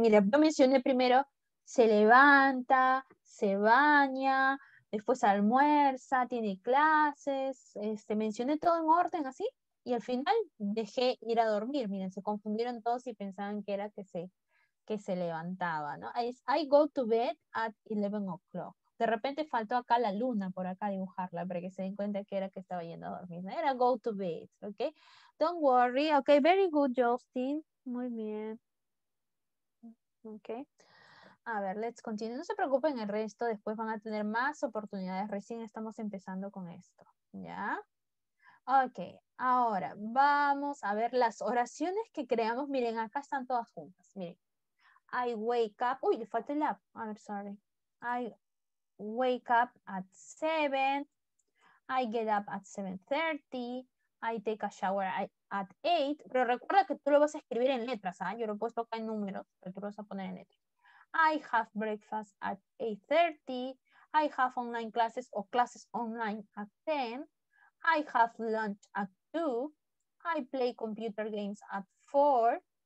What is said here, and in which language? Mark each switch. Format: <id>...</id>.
<es>Mira, yo mencioné primero, se levanta, se baña, después almuerza, tiene clases, mencioné todo en orden así, y al final dejé ir a dormir. Miren, se confundieron todos y pensaban que era que se levantaba, ¿no?</es> <en>I go to bed at 11 o'clock.</en> <es>De repente faltó acá la luna por acá dibujarla para que se den cuenta que era que estaba yendo a dormir, ¿no? Era</es> <en>go to bed, ¿ok? Don't worry, ok, very good, Justin.</en> <es>Muy bien.</es> <en>Ok.</en> <es>A ver,</es> <en>let's continue.</en> <es>No se preocupen, el resto después van a tener más oportunidades. Recién estamos empezando con esto, ¿ya? Ok, ahora vamos a ver las oraciones que creamos. Miren, acá están todas juntas. Miren,</es> <en>I wake up.</en> <es>Uy, le falta el app. A ver,</es> <en>sorry. I wake up at 7. I get up at 7:30. I take a shower at 8.</en> <es>Pero recuerda que tú lo vas a escribir en letras, ¿ah? ¿Eh? Yo lo he puesto acá en números, pero tú lo vas a poner en letras.</es> <en>I have breakfast at 8:30. I have online classes o classes online at 10. I have lunch at 2. I play computer games at 4.</en>